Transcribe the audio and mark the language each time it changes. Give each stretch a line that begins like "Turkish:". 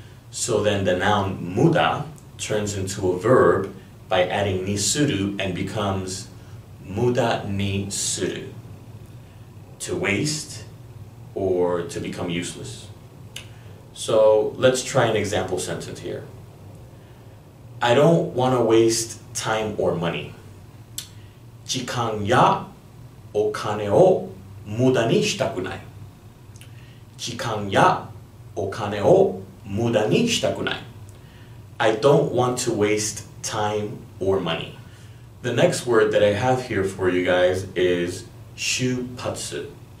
English: So then the noun 無駄 turns into a verb by adding にする and becomes 無駄にする. To waste or to become useless. So let's try an example sentence here. I don't want to waste time or money.
Japanese: 時間やお金を無駄にしたくない。時間やお金を無駄にしたくない。
English: I don't want to waste time or money. The next word that I have here for you guys is しゅっぱつ.